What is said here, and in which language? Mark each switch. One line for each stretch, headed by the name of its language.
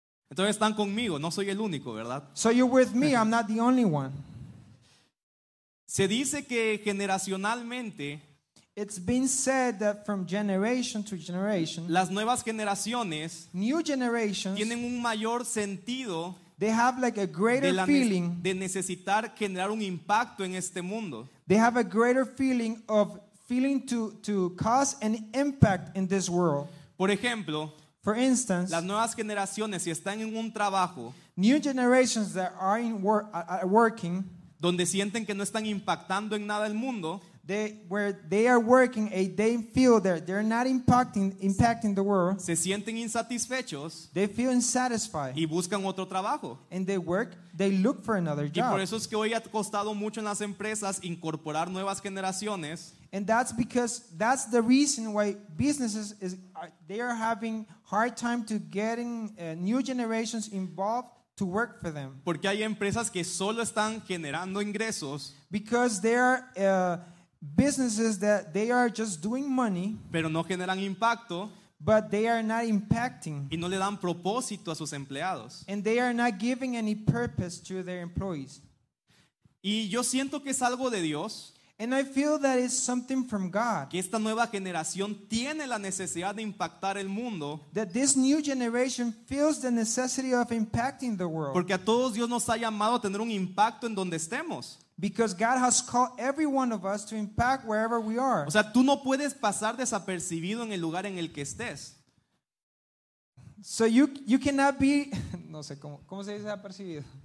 Spanish: Entonces están conmigo, no soy el único, ¿verdad?
English: So you're with me, I'm not the only one.
Spanish: Se dice que generacionalmente,
English: it's been said that from generation to generation,
Spanish: las nuevas generaciones,
English: new generations,
Spanish: tienen un mayor sentido,
English: they have like a greater feeling
Spanish: de necesitar generar un impacto en este mundo.
English: They have a greater feeling of feeling to cause an impact in this world.
Spanish: Por ejemplo,
English: for instance,
Spanish: las nuevas generaciones si están en un trabajo,
English: new generations that are in working,
Spanish: donde sienten que no están impactando en nada el mundo,
English: where they are working, they feel that they're not impacting the world.
Spanish: Se sienten insatisfechos.
English: They feel unsatisfied.
Spanish: Y buscan otro trabajo.
English: And they look for another job.
Spanish: Y por eso es que hoy ha costado mucho en las empresas incorporar nuevas generaciones.
English: And that's the reason why businesses are having hard time to getting new generations involved to work for them.
Spanish: Porque hay empresas que solo están generando ingresos.
English: Because they are businesses that they are just doing money,
Spanish: pero no generan impacto,
English: but they are not impacting,
Spanish: y no le dan propósito a sus empleados,
English: and they are not giving any purpose to their employees.
Spanish: Y yo siento que es algo de Dios,
English: and I feel that it's something from God,
Spanish: que esta nueva generación tiene la necesidad de impactar el mundo,
English: that this new generation feels the necessity of impacting the world,
Spanish: porque a todos Dios nos ha llamado a tener un impacto en donde estemos.
English: Because God has called every one of us to impact wherever we are.
Spanish: O sea, tú no puedes pasar desapercibido en el lugar en el que estés.
English: So you cannot be,
Spanish: no sé cómo se dice desapercibido.